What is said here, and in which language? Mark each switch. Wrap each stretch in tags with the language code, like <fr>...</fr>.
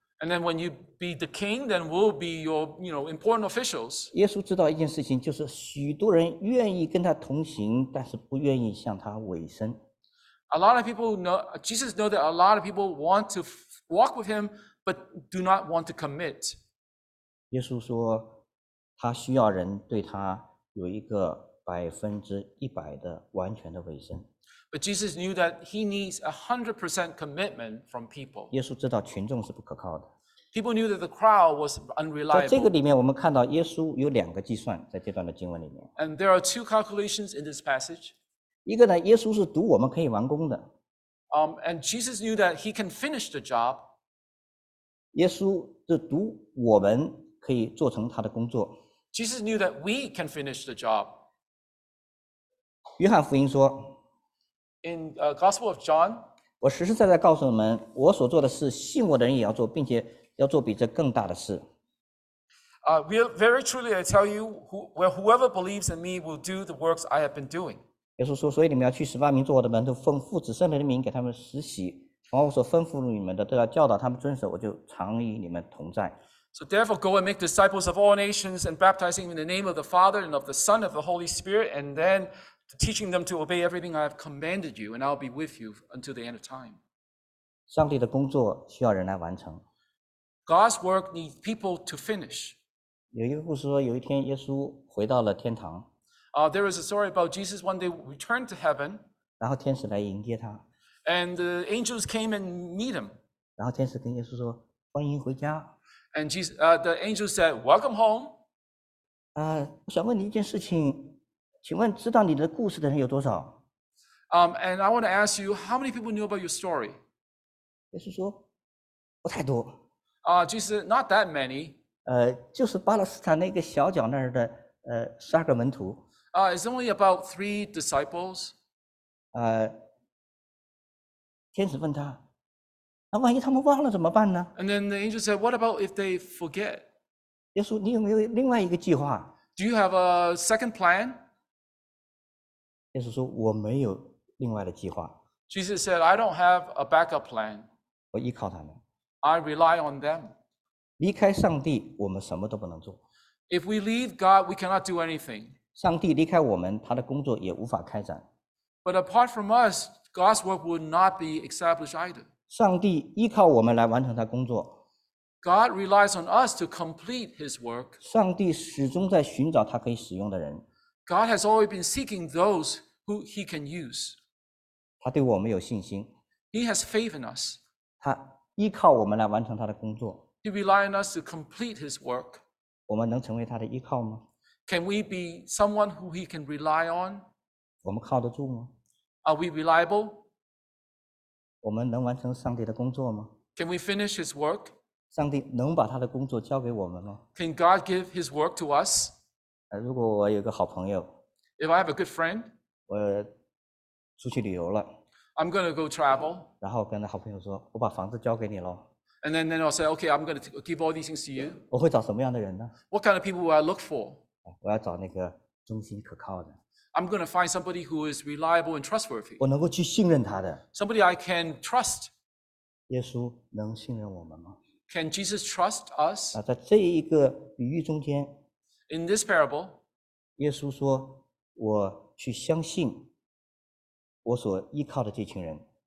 <en>And then when you be the king, then we'll be your, you know, important officials.</en> <zh>耶稣知道一件事情，就是许多人愿意跟他同行，但是不愿意向他委身。</zh> <en>A lot of people know, Jesus knows that a lot of people want to walk with him, but do not want to commit.</en> <zh>耶稣说，他需要人对他有一个100%的完全的委身。</zh> <en>But Jesus knew that he needs 100% commitment from people.</en> <zh>耶稣知道群众是不可靠的。</zh> <en>People knew that the crowd was unreliable.</en> <zh>在这个里面，我们看到耶稣有两个计算，在这段的经文里面。</zh> <en>And there are two calculations in this passage.</en> <zh>一个呢，耶稣是赌我们可以完工的。</zh> <en>And Jesus knew that he can finish the job.</en> <zh>耶稣是赌我们可以做成他的工作。</zh> <en>Jesus knew that we can finish the job.</en> <zh>约翰福音说。</zh> <en>In Gospel of John,</en> <zh>我实实在在告诉你们，我所做的事，信我的人也要做，并且要做比这更大的事。</zh> <en>Very truly I tell you, whoever believes in me will do the works I have been doing.</en> <zh>耶稣说，所以你们要去十万名做我的门徒，奉父子圣灵的名给他们施洗，凡我所吩咐你们的都要教导他们遵守，我就常与你们同在。</zh> <en>So therefore, go and make disciples of all nations, and baptizing in the name of the Father and of the Son and of the Holy Spirit, and then. Teaching them to obey everything I have commanded you, and I'll be with you until the end of time.</en> <zh>上帝的工作需要人来完成。</zh> <en>God's work needs people to finish.</en> <zh>有一个故事说，有一天耶稣回到了天堂。</zh> <en>There is a story about Jesus one day returned to heaven.</en> <zh>然后天使来迎接他。</zh> <en>And the angels came and meet him.</en> <zh>然后天使跟耶稣说，欢迎回家。</zh> <en>And the angels said, "Welcome home."</en> <zh>我想问你一件事情。请问知道你的故事的人有多少？</zh> <en>And I want to ask you, how many people knew about your story?</en> <zh>耶稣说，不太多。</zh> <en>Jesus, not that many.</en> <zh>就是巴勒斯坦那个小角那儿的十二个门徒。</zh> <en>It's only about three disciples.</en> <zh>天使问他，那万一他们忘了怎么办呢？</zh> <en>And then the angel said, what about if they forget?</en> <zh>耶稣，你有没有另外一个计划？</zh> <en>Do you have a second plan?</en> <zh>耶稣说：“我没有另外的计划。”</zh> <en>Jesus said, "I don't have a backup plan."</en> <zh>我依靠他们。</zh> <en>I rely on them.</en> <zh>离开上帝，我们什么都不能做。</zh> <en>If we leave God, we cannot do anything.</en> <zh>上帝离开我们，他的工作也无法开展。</zh> <en>But apart from us, God's work would not be established either.</en> <zh>上帝依靠我们来完成他工作。</zh> <en>God relies on us to complete His work.</en> <zh>上帝始终在寻找他可以使用的人。</zh> <en>God has always been seeking those who He can use.</en> <zh>他对我们有信心。</zh> <en>He has faith in us.</en> <zh>他依靠我们来完成他的工作。</zh> <en>He rely on us to complete his work.</en> <zh>我们能成为他的依靠吗？</zh> <en>Can we be someone who he can rely on?</en> <zh>我们靠得住吗？</zh> <en>Are we reliable?</en> <zh>我们能完成上帝的工作吗？</zh> <en>Can we finish his work?</en> <zh>上帝能把他的工作交给我们吗？</zh> <en>Can God give his work to us?</en> <zh>如果我有个好朋友，</zh> <en>If I have a good friend,</en> <zh>我出去旅游了，</zh> <en>I'm going to go travel.</en> <zh>然后跟好朋友说，我把房子交给你了。</zh> <en>And then I'll say, okay, I'm going to give all these things to you.</en> <zh>我会找什么样的人呢？</zh> <en>What kind of people will I look for?</en> <zh>我要找那个忠心可靠的。</zh> <en>I'm going to find somebody who is reliable and trustworthy.</en> <zh>我能够去信任他的。</zh> <en>Somebody I can trust.</en> <zh>耶稣能信任我们吗？</zh> <en>Can Jesus trust us?</en> <zh>在这一个比喻中间，</zh> <en>In this parable,</en> <zh>耶稣说，我去相信我所依靠的这群人。</zh>